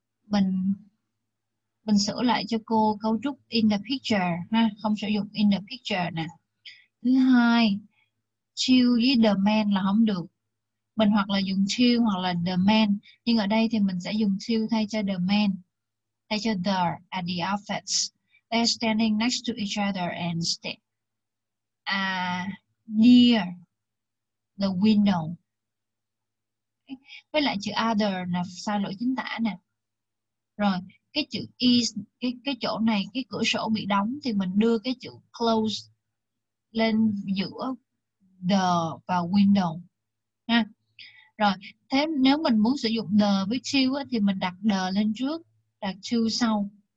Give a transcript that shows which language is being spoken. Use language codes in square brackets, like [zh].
[vi] Mình sửa lại cho cô cấu trúc [en] in the picture [vi] ha, không sử dụng in the picture nè. Thứ hai, two với the man là không được. Mình hoặc là dùng two hoặc là the man. Nhưng ở đây thì mình sẽ dùng two thay cho the man. Thay cho the [en] at the office. They're standing next to each other and stay near the window. Okay. [vi] Với lại chữ other là sai lỗi chính tả nè. Rồi, cái chữ is, cái chỗ này, cái cửa sổ bị đóng thì mình đưa cái chữ close lên giữa the và window ha. Rồi thế nếu mình muốn sử dụng the với two á, thì mình đặt the lên trước, đặt two sau.